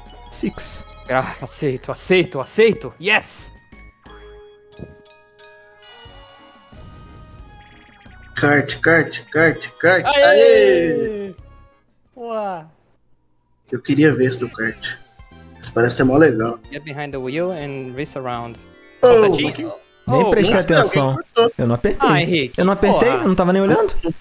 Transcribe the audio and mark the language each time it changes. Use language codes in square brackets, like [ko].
[pt] 6. Ah, aceito, aceito, aceito. [en] Yes! [pt] Kart. Aê! Uau. Eu queria ver isso do kart. Isso parece ser mó legal. [en] Get behind the wheel and race around. [pt] Nem prestei atenção. Eu não apertei. Ah, Henrique, eu não apertei, eu não tava nem olhando.